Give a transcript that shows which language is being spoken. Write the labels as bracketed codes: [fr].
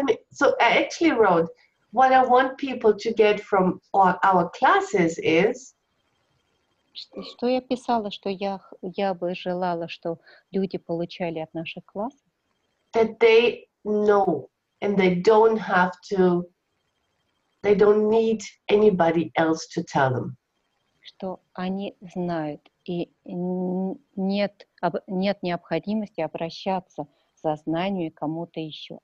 [en] So I actually wrote, what I want people to get from our classes is... [ru] Что я писала, что я бы желала, что люди получали от наших классов? [en] That they know and they don't have to... They don't need anybody else to tell them. [ru] Что они знают и нет необходимости обращаться за знанием кому-то еще.